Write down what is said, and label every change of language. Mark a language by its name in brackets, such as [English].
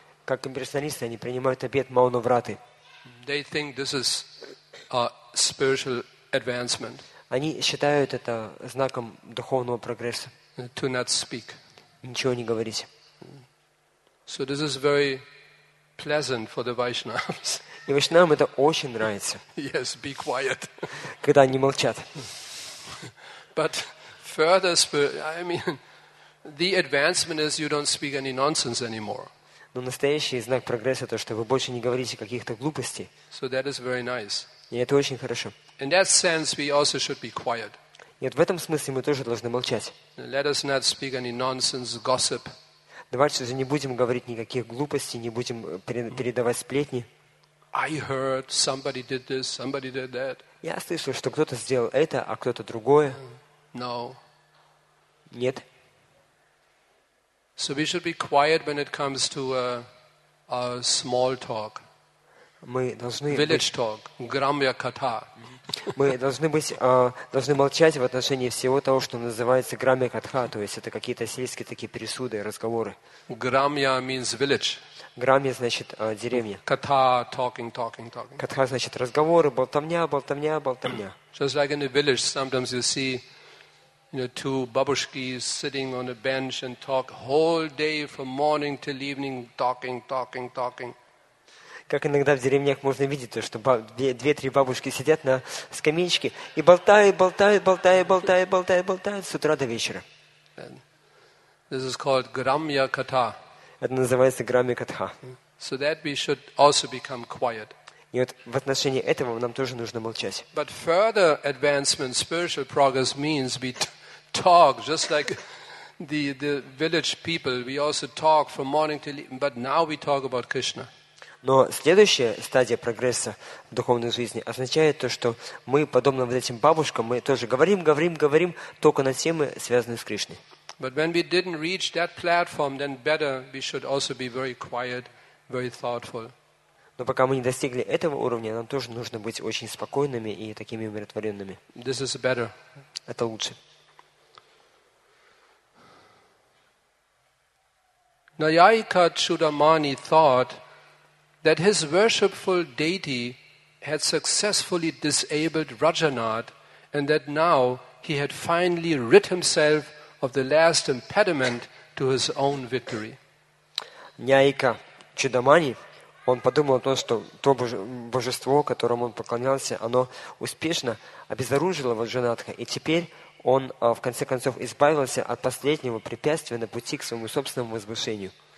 [Russian] Как имперсоналисты, они принимают обет Маунавраты. [English] They think this is a spiritual advancement. [Russian] Они считают это знаком духовного прогресса. [English] To not speak. [Russian] Ничего не говорить. [English] So this is very pleasant for the Vaishnavas. [Russian] И Вайшнавам это очень нравится. [English] Yes, be quiet. [Russian] Когда они молчат. [English] But further, I mean, the advancement is you don't speak any nonsense anymore. [Russian] Но настоящий знак прогресса то, что вы больше не говорите каких-то глупостей. [English] So that is very nice. [Russian] И это очень хорошо. [English] In that sense, we also should be quiet. [Russian] Нет, в этом смысле мы тоже должны молчать. [English] Let us not speak any nonsense, gossip. [Russian] Давайте же не будем говорить никаких глупостей, не будем передавать сплетни. [English] I heard somebody did this, somebody did that. [Russian] Я слышал, что кто-то сделал это, а кто-то другое. [English] No. [Russian] Нет. [English] So we should be quiet when it comes to a small talk. [Russian] Мы должны [English] village talk, грамья ката. [Russian] Мы должны быть должны молчать в отношении всего того, что называется грамья катха, то есть это какие-то сельские такие пересуды, разговоры. [English] Грамья means village. [Russian] Грамья значит деревня. [English] Ката talking. [Russian] Катха значит разговоры, болтовня. [English] Just like in a village, sometimes you see. You know, two babushkis sitting on a bench and talk whole day from morning till evening, talking. [Russian] Как иногда в деревнях можно видеть то, что две-три бабушки сидят на скамеечке и болтают с утра до вечера. [English] And this is called gramya katha. [Russian] Это называется грамья катха. [English] So that we should also become quiet. [Russian] И вот в отношении этого нам тоже нужно молчать. [English] But further advancement, spiritual progress means we talk just like the village people. We also talk from morning till evening, but now we talk about Krishna. [Russian] Но следующая стадия прогресса в духовной жизни означает то, что мы подобно вот этим бабушкам, мы тоже говорим только на темы, связанные с Кришной. [English] But when we didn't reach that platform, then better we should also be very quiet, very thoughtful. [Russian] Но пока мы не достигли этого уровня, нам тоже нужно быть очень спокойными и такими умиротворенными. [English] This is better. [Russian] Это лучше. [English] Nayayika Chudamani thought that his worshipful deity had successfully disabled Rajanath and that now he had finally rid himself of the last impediment to his own victory. [Russian] Nayayika Chudamani, он подумал о том, что то божество, которому он поклонялся, оно успешно обезоружило Раджанатха, и теперь он, в конце концов, избавился от последнего препятствия на пути к своему собственному возвышению.